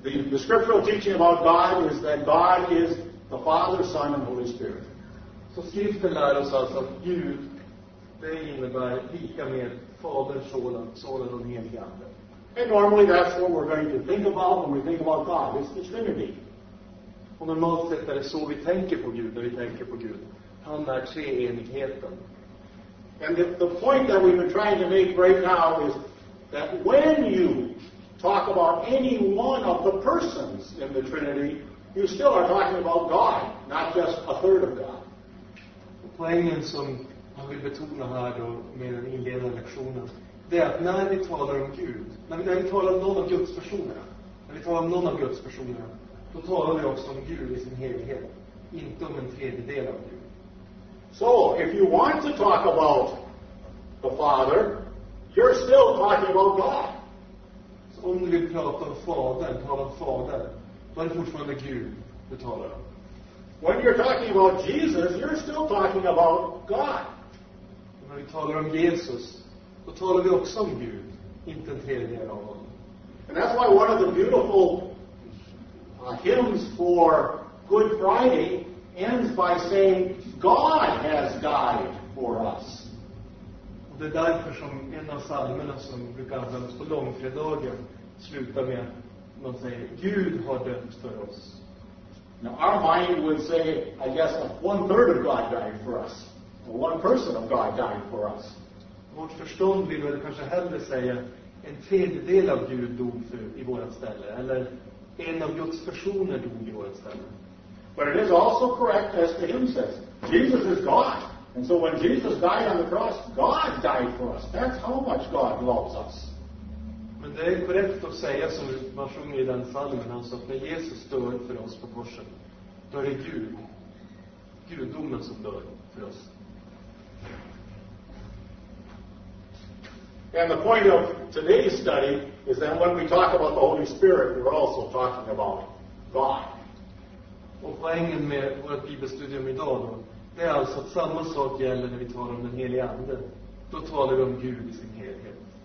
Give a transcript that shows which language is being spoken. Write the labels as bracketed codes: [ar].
[en] The scriptural teaching about God is that God is the Father, Son, and Holy Spirit. [sv] Så skriften lär oss alltså att Gud, det innebär lika med [en] Father, Son, and Holy Ghost. And normally that's what we're going to think about when we think about God, it's the Trinity. [sv] Och normalt sett är det så vi tänker på Gud när vi tänker på Gud. Han är treenigheten. [en] And the point that we've been trying to make right now is that when you talk about any one of the persons in the Trinity, you still are talking about God, not just a third of God. [sv] Och poängen som jag vill betona här då med den inledande lektionen, det är att när vi talar om Gud, när vi talar om någon av Guds personer, när vi talar om någon av Guds personer, då talar vi också om Gud i sin helhet, inte om en tredjedel av Gud. [en] So, if you want to talk about the Father, you're still talking about God. [sv] Så om du vill prata om Fadern, tala om Fadern, då är det fortfarande Gud du talar om. [en] When you're talking about Jesus, you're still talking about God. [sv] Och när vi talar om Jesus, då talar vi också om Gud, inte en tredjedel av honom. [en] And that's why one of the beautiful hymns for Good Friday ends by saying God has died for us. [sv] Och det är därför som en av psalmerna som brukar användas på långfredagen slutar med man säger Gud har dött för oss. [en] Now our mind would say, I guess, one third of God died for us. Or one person of God died for us. [sv] Vårt förstånd vill väl kanske hellre säga en tredjedel av Gud dog för i vårat ställe, eller en av Guds personer dog i vårat ställe. [en] But it is also correct, as the hymn says, Jesus is God. And so when Jesus died on the cross, God died for us. That's how much God loves us. [sv] Men det är korrekt att säga, som man sjunger i den salmen, alltså att när Jesus dör för oss på korset, då är det Gud, Guddomen som dör för oss. [en] And the point of today's study is that when we talk about the Holy Spirit, we're also talking about God. [sv] Och poängen med vårt bibelstudium idag då, det är alltså att samma sak gäller när vi talar om den heliga anden. Då talar vi om Gud i sin helhet.